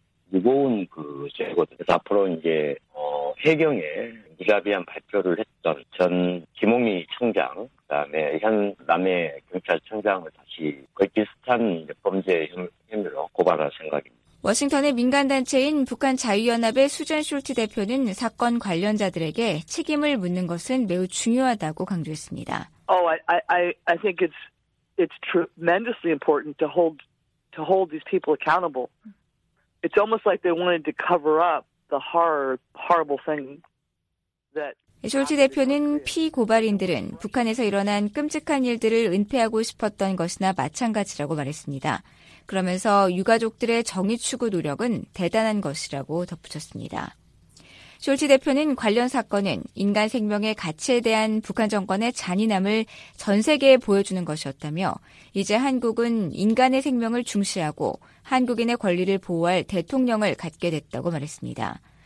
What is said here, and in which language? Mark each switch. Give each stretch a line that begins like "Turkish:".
Korean: 무거운 그 제거들, 앞으로 이제 해경에 무자비한 발표를 했던 전 김홍미 청장, 그다음에 현 남해 경찰청장을 다시 거의 비슷한 범죄 혐의로 고발할 생각입니다. 워싱턴의 민간단체인 북한자유연합의 수전 숄트 대표는 사건 관련자들에게 책임을 묻는 것은 매우 중요하다고 강조했습니다.
English: I think it's tremendously important to hold these people accountable. It's almost like they wanted to cover up the horrible thing that.
Korean: 숄트 대표는 피고발인들은 북한에서 일어난 끔찍한 일들을 은폐하고 싶었던 것이나 마찬가지라고 말했습니다. 그러면서 유가족들의 정의 추구 노력은 대단한 것이라고 덧붙였습니다. 숄트 대표는 관련 사건은 인간 생명의 가치에 대한 북한 정권의 잔인함을 전 세계에 보여주는 것이었다며 이제 한국은 인간의 생명을 중시하고 한국인의 권리를 보호할 대통령을 갖게 됐다고 말했습니다.